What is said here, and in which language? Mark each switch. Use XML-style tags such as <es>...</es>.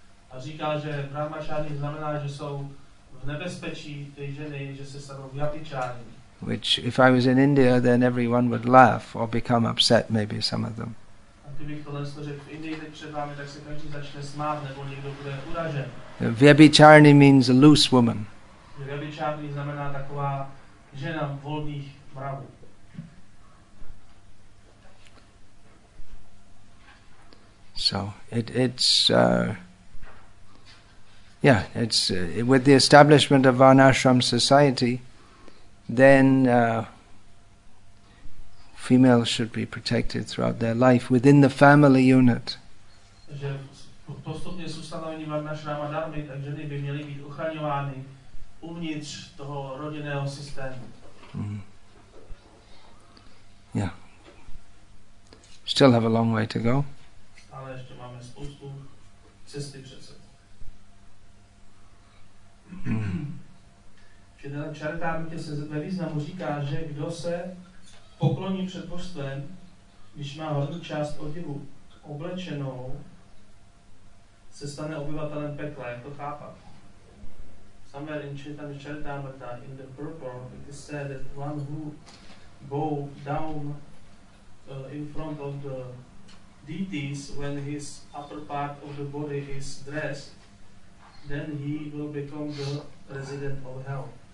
<cs>A říká, že brahmacharini znamená, že jsou v nebezpečí ty ženy, že se stanou vyabhicharini.</cs> <en>Which, if I was in India, then everyone would laugh or become upset, maybe some of them.</en> <cs>A kdybych tohle řekl v Indii, teď před vámi, tak se každý začne smát, nebo někdo bude uražen.</cs> <en>Vyabhicharini means a loose woman.</en> <cs>Vyabhicharini znamená taková žena volných mravů.</cs> <en>So it's with the establishment of Varnashram society, then females should be protected throughout their life within the family unit. Yeah. Still have a long way to go.</en> <cs>Ale ještě máme spoustu cesty před sebou. Čaritamrita se ve významu říká, že kdo se pokloní před božstvem, když má horní část oděvu oblečenou, se stane obyvatelem pekla. Jak to chápat?</cs> <en>Somewhere in Čaritamrita, in the purport, it is said that one who bow down in front of the deities when his upper part of the body is dressed, then he will become the resident of hell.</en>